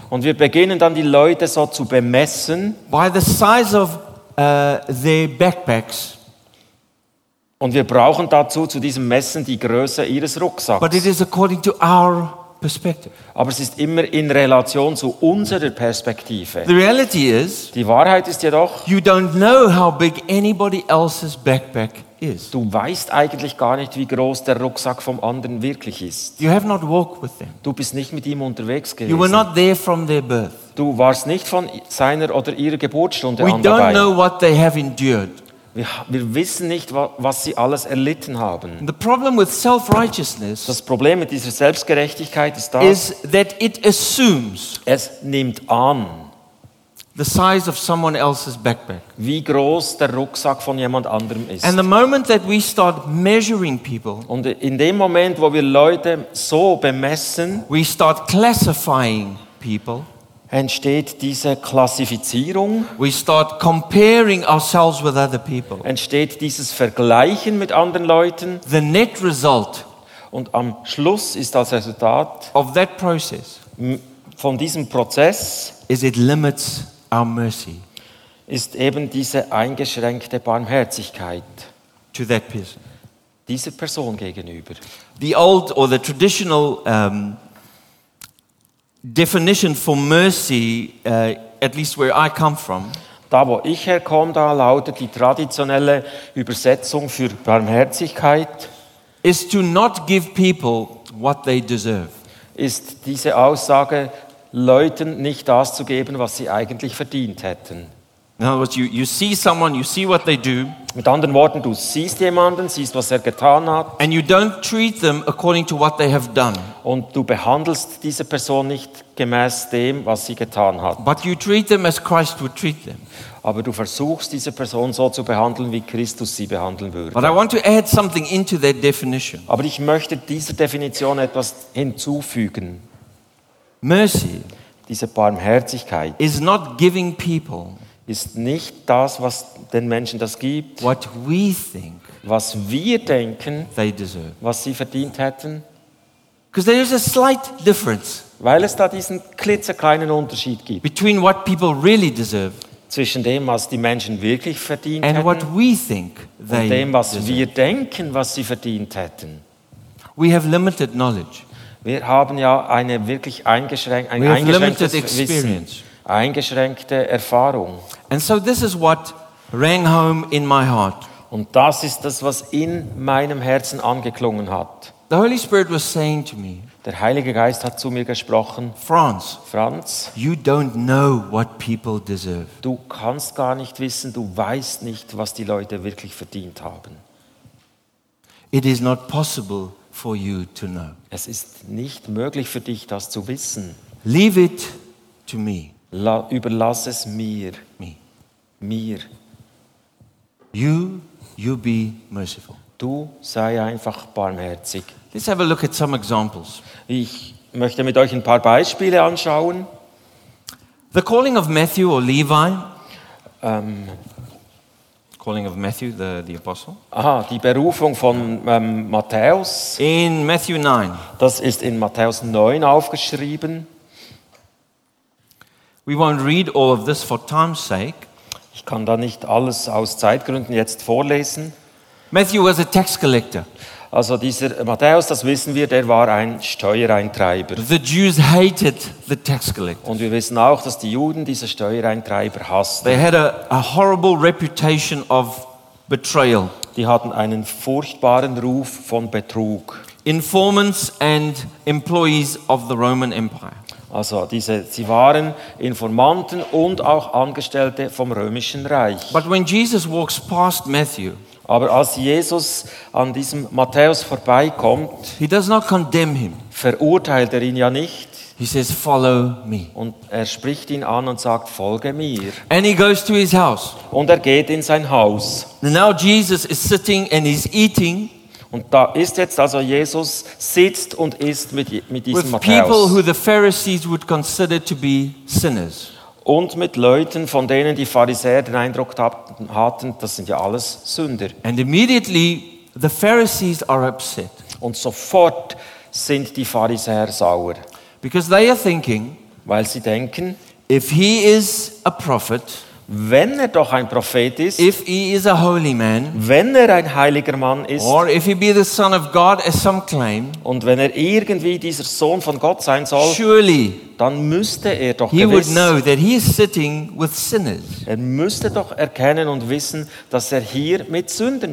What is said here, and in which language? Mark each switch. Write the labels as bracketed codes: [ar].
[de] Und wir beginnen dann die Leute so zu bemessen. [en] By the size of their backpacks. [de] Und wir brauchen dazu zu diesem Messen die Größe ihres Rucksacks. [en] But it is according to our perspective. [de] Aber es ist immer in Relation zu unserer Perspektive. [en] The reality is, [de] die Wahrheit ist jedoch, [en] you don't know how big anybody else's backpack is. [de] Du weißt eigentlich gar nicht, wie groß der Rucksack vom anderen wirklich ist. [en] You have not walked with them. [de] Du bist nicht mit ihm unterwegs gewesen. [en] You were not there from their birth. [de] Du warst nicht von seiner oder ihrer Geburtsstunde [en] we [de] an dabei. [en] Don't know what they have endured. [de] Wir wissen nicht, was sie alles erlitten haben. [en] The problem with self-righteousness, [de] das Problem mit dieser Selbstgerechtigkeit ist das, [en] is that it assumes, [de] es nimmt an, [en] the size of someone else's backpack. [de] Wie groß der Rucksack von jemand anderem ist. [en] And the moment that we start measuring people, [de] und in dem Moment, wo wir Leute so bemessen, [en] we start classifying people, [de] entsteht diese Klassifizierung. [en] We start comparing ourselves with other people. [de] Entsteht dieses Vergleichen mit anderen Leuten. [en] The net result. [de] Und am Schluss ist das Resultat [en] of that process, [de] von diesem Prozess [en] is it limits our mercy. [de] Ist eben diese eingeschränkte Barmherzigkeit [en] to that person. [de] Dieser Person gegenüber. [en] The old or the traditional definition for mercy, at least where I come from, [de] da wo ich herkomme, da lautet die traditionelle Übersetzung für Barmherzigkeit, [en] is to not give people what they deserve. [de] Ist diese Aussage, Leuten nicht das zu geben, was sie eigentlich verdient hätten. [en] In other words, you see someone, you see what they do. [de] Mit anderen Worten, du siehst jemanden, siehst, was getan hat. [en] And you don't treat them according to what they have done. [de] Und du behandelst diese Person nicht gemäß dem, was sie getan hat. [en] But you treat them as Christ would treat them. [de] Aber du versuchst, diese Person so zu behandeln, wie Christus sie behandeln würde. [en] But I want to add something into that definition. [de] Aber ich möchte dieser Definition etwas hinzufügen. [en] Mercy, [de] diese Barmherzigkeit, [en] is not giving people, [de] ist nicht das, was den Menschen das gibt, [en] what we think, [de] was wir denken, [en] they deserve, [de] was sie verdient hätten. [en] Because there is a slight difference, [de] weil es da diesen klitzekleinen Unterschied gibt, [en] between what people really deserve, [de] zwischen dem, was die Menschen wirklich verdient [en] and [de] hätten, [en] what we think they [de] und dem, was [en] deserve, [de] wir denken, was sie verdient hätten. [en] We have limited knowledge. [de] Wir haben ja eine wirklich eingeschränktes Wissen. Eingeschränkte Erfahrung. [en] And so this is what rang home in my heart. [de] Und das ist das, was in meinem Herzen angeklungen hat. [en] The Holy Spirit was saying to me, [de] der Heilige Geist hat zu mir gesprochen, [en] Franz, you don't know what people deserve. [de] Du kannst gar nicht wissen, du weißt nicht, was die Leute wirklich verdient haben. [en] It is not possible for you to know. [de] Es ist nicht möglich für dich, das zu wissen. [en] Leave it to me. [de] Überlass es mir. Mir. [en] You be merciful. [de] Du sei einfach barmherzig. [en] Let's have a look at some examples. [de] Ich möchte mit euch ein paar Beispiele anschauen. [en] The calling of Matthew or Levi. Calling of Matthew, the apostle. [de] Aha, die Berufung von Matthäus. [en] In Matthew 9. [de] Das ist in Matthäus 9 aufgeschrieben. [en] We won't read all of this for time's sake. [de] Ich kann da nicht alles aus Zeitgründen jetzt vorlesen. [en] Matthew was a tax collector. [de] Also dieser Matthäus, das wissen wir, der war ein Steuereintreiber. [en] The Jews hated the tax collectors. [de] Und wir wissen auch, dass die Juden diese Steuereintreiber hassten. [en] They had a horrible reputation of betrayal. [de] Die hatten einen furchtbaren Ruf von Betrug. [en] Informants and employees of the Roman Empire. [de] Also diese, sie waren Informanten und auch Angestellte vom Römischen Reich. [en] But when Jesus walks past Matthew, [de] aber als Jesus an diesem Matthäus vorbeikommt, [en] he does not condemn him. [de] Verurteilt er ihn ja nicht. [en] He says, follow me. [de] Und er spricht ihn an und sagt, folge mir. [en] And he goes to his house. [de] Und er geht in sein Haus. [en] Now Jesus is sitting and he's eating. [de] Und da ist jetzt also Jesus sitzt und isst mit diesem [en] with [de] Matthäus. [en] People who the Pharisees would consider to be sinners. [de] Und mit Leuten, von denen die Pharisäer den Eindruck hatten, das sind ja alles Sünder. [en] And immediately the Pharisees are upset. [de] Und sofort sind die Pharisäer sauer. [en] Because they are thinking, [de] Weil sie denken, [en] if he is a prophet, [de] wenn er doch ein Prophet ist, [en] if he is a holy man, [de] wenn er ein heiliger Mann ist, [en] or if he be the son of God, as some claim, [de] und wenn er irgendwie dieser Sohn von Gott sein soll, [en] surely, [de] dann müsste er doch [en] he [de] gewiss, [en] would know that he is sitting with sinners. [de] Er müsste doch erkennen und wissen, dass er hier mit Sünden